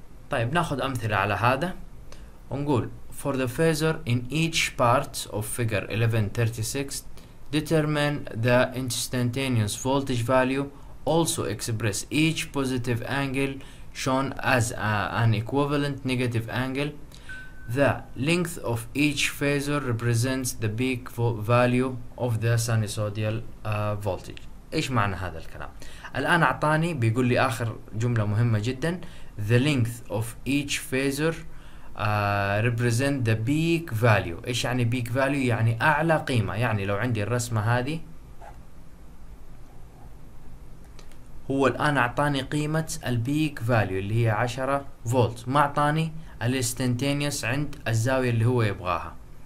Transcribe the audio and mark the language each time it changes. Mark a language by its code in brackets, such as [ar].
[ar] طيب ناخذ أمثلة على هذا ونقول [en] for the phasor in each part of figure 1136 determine the instantaneous voltage value, also express each positive angle shown as an equivalent negative angle. The length of each phasor represents the peak value of the sinusoidal voltage. [ar] إيش معنى هذا الكلام؟ الآن أعطاني بيقول لي آخر جملة مهمة جدا. [en] The length of each phasor represent the peak value. [ar] إيش يعني peak value؟ يعني أعلى قيمة. يعني لو عندي الرسمة هذه، هو الآن أعطاني قيمة البيك فاليو اللي هي 10 فولت، ما أعطاني الاستنتينيوس عند الزاوية اللي هو يبغاها.